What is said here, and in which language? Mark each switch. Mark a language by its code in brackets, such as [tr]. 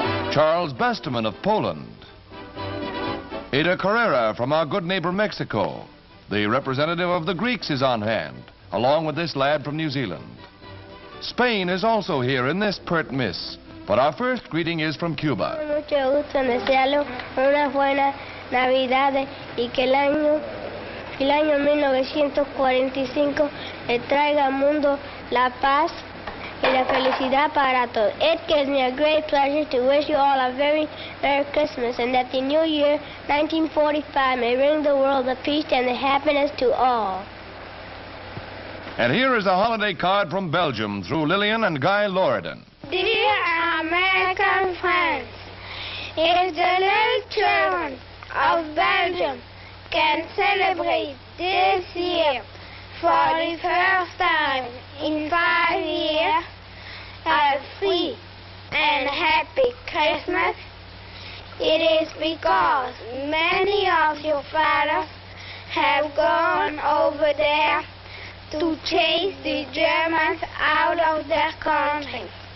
[en] Charles Besteman of Poland. Ada Carrera from our good neighbor Mexico. The representative of the Greeks is on hand, along with this lad from New Zealand. Spain is also here in this pert miss. But our first greeting is from Cuba. [es] Mucho gusto, desearle una buena Navidad y que el año 1945 le traiga al mundo la paz y la felicidad para todos. [en] It gives me a great pleasure to wish you all a very Merry Christmas and that the new year 1945 may bring the world the peace and the happiness to all. And here is a holiday card from Belgium through Lillian and Guy Loredan. Dear American friends, if the little children of Belgium can celebrate this year for the first time in 5 years a free and happy Christmas, it is because many of your fathers have gone over there to chase the Germans out of their country.